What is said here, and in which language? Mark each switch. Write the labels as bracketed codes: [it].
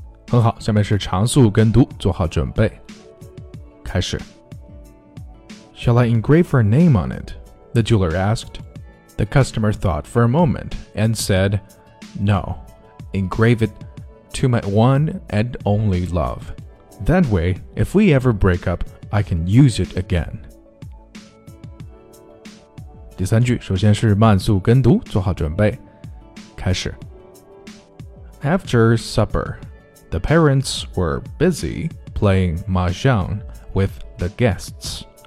[zh] 很好，下面是长速跟读，做好准备，开始。 [en] Shall I engrave her name on it? The jeweler asked. The customer thought for a moment and said, No, engrave it to my one and only love. That way, if we ever break up, I can use it again. [zh] 第三句，首先是慢速跟读，做好准备，开始。 [en] After supper, the parents were busy playing mahjong with the guests.